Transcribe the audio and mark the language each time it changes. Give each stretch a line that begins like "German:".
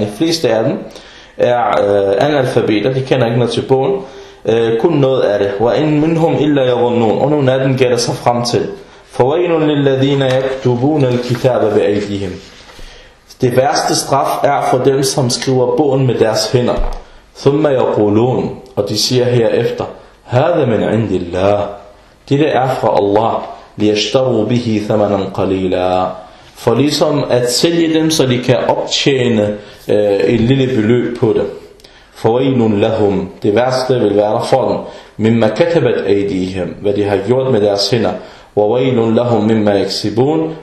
Danish: De fleste af dem er analfabeter, de kender ikke noget til bogen, kun noget af det.
Arabic: وَإِنْ مِنْهُمْ إِلَّا يَظُنُّونَ.
Danish: Og nogle af dem gætter sig frem til.
Arabic: فَوَيْنُ لِلَّذِينَ يَكْتُبُونَ الْكِتَابَ بِأَيْدِهِمْ.
Danish: Det værste straf er for dem, som skriver bogen med deres hænder.
Arabic: ثُمَّ يَقُولُونَ.
Danish: Og de siger herefter,
Arabic: هذا من عند الله.
Danish: Det er fra Allah.
Arabic: ليشتروا به ثمنا قليلا.
Danish: For ligesom at sælge dem, så de kan optjene et lille beløb på det.
Arabic: فويل لهم.
Danish: Det værste vil være for dem.
Arabic: مما كتبت أيديهم.
Danish: Hvad de har gjort med deres hænder.
Arabic: وويل لهم مما يكسبون.